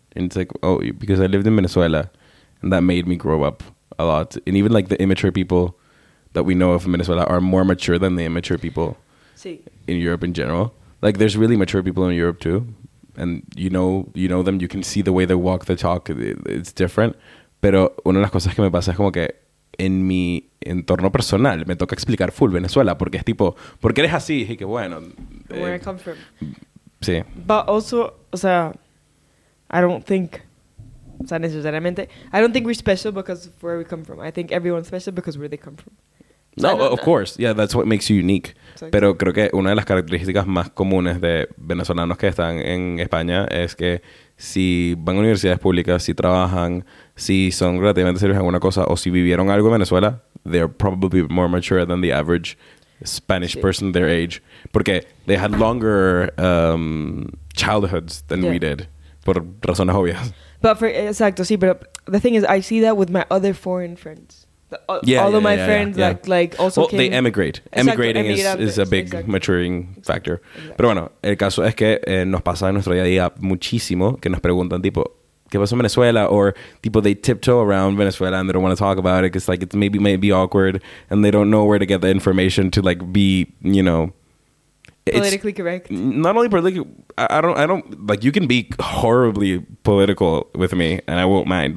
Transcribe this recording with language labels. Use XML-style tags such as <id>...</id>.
<en>And it's like, oh, because I lived in Venezuela and that made me grow up a lot. And even like the immature people that we know of in Venezuela are more mature than the immature people in Europe in general. Like, there's really mature people in Europe too. And you know them, you can see the way they walk, the talk, it's different.</en> <es>Pero una de las cosas que me pasa es como que en mi entorno personal me toca explicar full Venezuela porque es tipo, ¿por qué eres así? Y que bueno.</es> <en>Where I come from.</en> <es>Sí.</es> <en>But also, o sea, I don't think...</en> <es>O sea, necesariamente.</es> <en>I don't think we're special because of where we come from. I think everyone's special because of where they come from. No, of course. Yeah, that's what makes you unique. Exactly.</en> <es>Pero creo que una de las características más comunes de venezolanos que están en España es que si van a universidades públicas, si trabajan, si son relativamente serios en alguna cosa o si vivieron algo en Venezuela,</es> <en>they're probably more mature than the average Spanish person their age. Porque they had longer childhoods than we did.</en> <es>Por razones obvias.</es> <en>But for</en> <es>exacto, sí,</es> <en>but the thing is, I see that with my other foreign friends. All of my friends like also well, came. They emigrate. Emigrating is a big maturing factor. Exactly.</en> <es>Pero bueno, el caso es que nos pasa en nuestro día a día muchísimo que nos preguntan tipo, ¿qué pasó en Venezuela?</es> <en>Or tipo, they tiptoe around Venezuela and they don't want to talk about it because like it's maybe awkward and they don't know where to get the information to like be, you know. Politically correct. Not only politically, I don't, like, you can be horribly political with me, and I won't mind.</en>